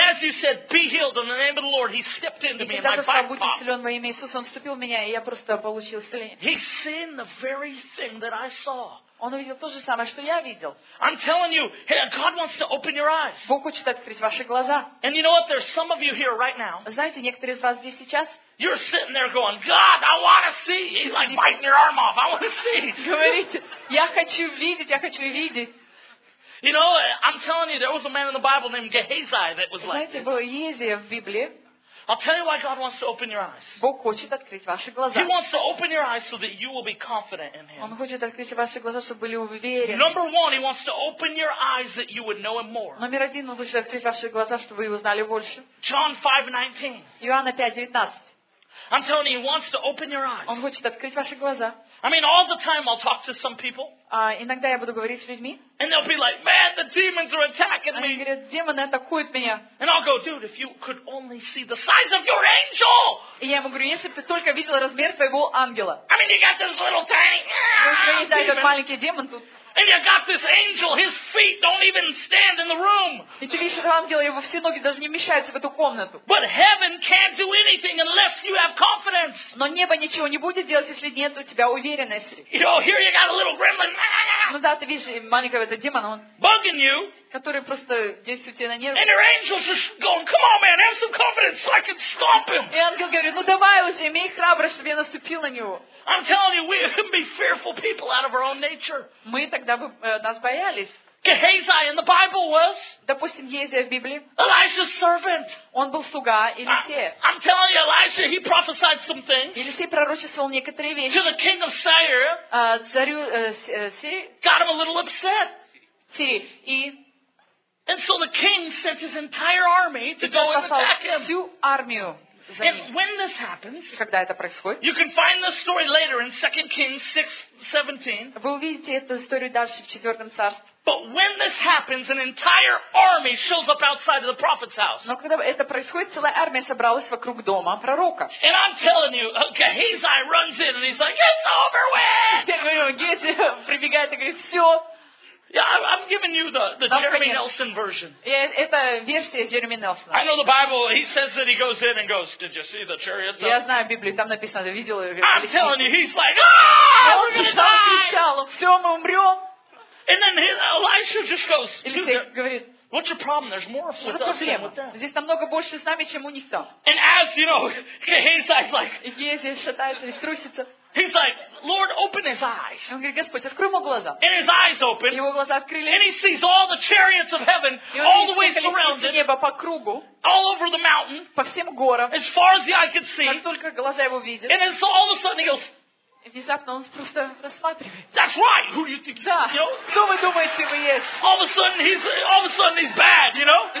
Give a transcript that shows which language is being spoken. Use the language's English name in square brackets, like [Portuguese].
[English] And as you said, be healed in the name of the Lord, he stepped into me and my body popped. [Russian] И когда сказал, во имя Иисуса, он вступил в меня, и я просто получил исцеление. [English] He seen the very thing that I saw. [Russian] Он увидел то же самое, что я видел. [English] I'm telling you, hey, God wants to open your eyes. [Russian] Бог хочет открыть ваши глаза. [English] And you know what? There's some of you here right now. [Russian] Знаете, некоторые из вас здесь сейчас. [English] You're sitting there going, God, I want to see. He's like biting your arm off. I want to see. [Russian] Говорите, я хочу видеть, я хочу видеть. [English] You know, I'm telling you, there was a man in the Bible named Gehazi that was like this. [Russian] Знаете, был Гехазий в Библии. [English] I'll tell you why God wants to open your eyes. [Russian] Бог хочет открыть ваши глаза. [English] He wants to open your eyes so that you will be confident in Him. [Russian] Он хочет открыть ваши глаза, чтобы были уверены. [English] Number one, He wants to open your eyes that you would know Him more. [Russian] Номер один, Он хочет открыть ваши глаза, чтобы вы узнали больше. [English] John 5:19. [Russian] Иоанна 5:19. [English] I'm telling you, He wants to open your eyes. [Russian] Он хочет открыть ваши глаза. [English] I mean, all the time I'll talk to some people. [Russian] Иногда я буду говорить с людьми. [English] And they'll be like, "Man, the demons are attacking me." [Russian] Они говорят, демоны атакуют меня. [English] And I'll go, "Dude, if you could only see the size of your angel." [Russian] И я ему говорю, если бы ты только видел размер твоего ангела. [English] I mean, you got this little tank. [Russian] Этот маленький демон тут. [English] And you got this angel. His feet don't even stand in the room. [Russian] И ты видишь этого ангела, его все ноги даже не вмещаются в эту комнату. [English] But heaven can't do anything unless you have confidence. [Russian] Но небо ничего не будет делать, если нет у тебя уверенности. [English] You know, here you got a little gremlin. [Russian] Ну да, ты видишь, маленького этого демона, он [English] bugging you, [Russian] который просто действует тебе на нервы. [English] And your angels are going, come on, man, have some confidence so I can stomp him. [Russian] И ангел говорит, ну давай уже, имей храбрость, чтобы я наступил на него. [English] I'm telling you, we can be fearful people out of our own nature. [Russian] Мы тогда бы нас боялись. [English] Gehazi in the Bible was. [Russian] Допустим, Гезия в Библии. [English] Elisha's servant. [Russian] Он был слуга Елисея. [English] I'm telling you, Elisha, he prophesied some things. [Russian] Елисей пророчествовал некоторые вещи. [English] To the king of Syria. [Russian] Царю [English] Сирии. Got him a little upset. [Russian] Сирии. [English] And so the king sent his entire army to go and attack him. [Russian] Всю армию. [English] And when this happens, [Russian] когда это происходит, [English] you can find this story later in 2 Kings 6:17. [Russian] Вы увидите эту историю дальше в 4 царстве. [English] But when this happens, an entire army shows up outside of the prophet's house. [Russian] Но когда это происходит, целая армия собралась вокруг дома пророка. [English] And I'm telling you, Gehazi runs in and he's like, "It's over with!" [Russian] Я говорю, Гези прибегает и говорит, все. [English] Yeah, I'm giving you the Jeremy Nelson version. [Russian] Это версия Джереми Нельсона. [English] I know the Bible. He says that he goes in and goes, "Did you see the chariots?" [Russian] Я знаю Библию. Там написано, видел. [English] I'm telling you, he's like, "Ah, we're gonna die!" [Russian] Он кричал, все, мы умрем. [English] And then Elisha just goes, [Russian] говорит, [English] "What's your problem? There's more with us than with them." [Russian] Здесь намного больше с нами, чем у них там. [English] And as you know, Gehazi's like, [Russian] Гезия шатается и струсится. [English] He's like, "Lord, open his eyes." [Russian] Он говорит, Господь, открой ему глаза. [English] And his eyes open. [Russian] Его глаза открылись. [English] And he sees all the chariots of heaven, all the way around it. [Russian] Небо по кругу. [English] All over the mountain. [Russian] По всем горам. [English] As far as the eye could see. [Russian] Как только глаза его видят. [English] And then all of a sudden he goes. [Russian] Внезапно он просто рассматривает. [English] That's right. Who do you think? [Russian] Да. Кто вы думаете, вы есть? [English] All of a sudden he's bad, you know?